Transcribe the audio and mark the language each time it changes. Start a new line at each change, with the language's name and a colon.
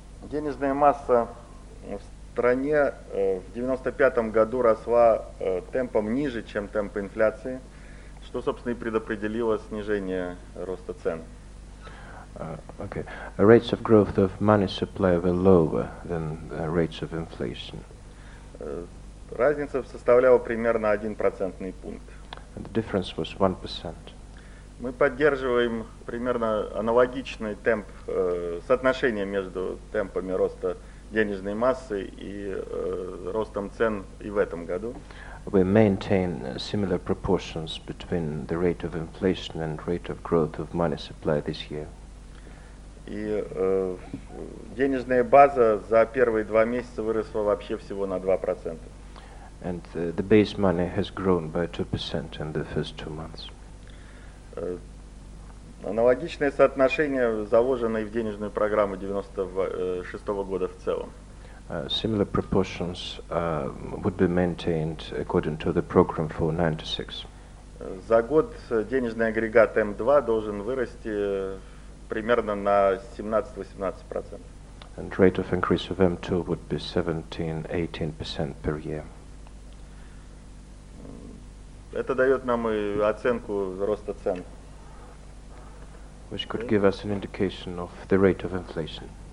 Russian: Денежная масса в стране в 95 году росла темпом ниже, чем темп инфляции, что, собственно, и предопределило снижение роста цен.
English: Okay. Rates of growth of money supply were lower than the rates of inflation.
Russian: Разница составляла примерно 1% пункт.
English: And the difference was 1%.
Russian: Мы поддерживаем примерно аналогичный темп, соотношение между темпами роста денежной массы и ростом цен и в этом году.
English: We maintain similar proportions between the rate of inflation and rate of growth of money supply this year.
Russian: И денежная база за первые два месяца выросла вообще всего на 2%.
English: And the base money has grown by 2% in the first two months.
Russian: Аналогичное соотношение заложено и в денежную программу 96 года в целом.
English: Similar proportions would be maintained according to the program for 96.
Russian: За год денежный агрегат М2 должен вырасти примерно на 17-18%.
English: And rate of increase of M2 would be 17-18% per year.
Russian: Это дает нам и оценку роста цен.
English: Which could give us an indication of the rate of inflation.